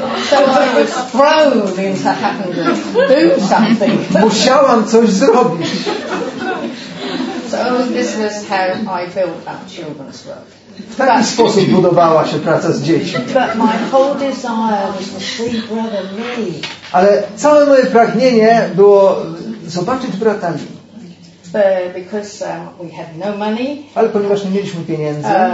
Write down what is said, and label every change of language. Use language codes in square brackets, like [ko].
[en] So I was thrown into having to do something. [pl] Musiałam coś zrobić. [en] So this was how I built up children's work. [pl] W taki sposób budowała się praca z dziećmi. [en] But my whole desire was to see brother Lee. [pl] Ale całe moje pragnienie było zobaczyć brata Lee. [en] We had no money, [pl] ale ponieważ nie mieliśmy pieniędzy,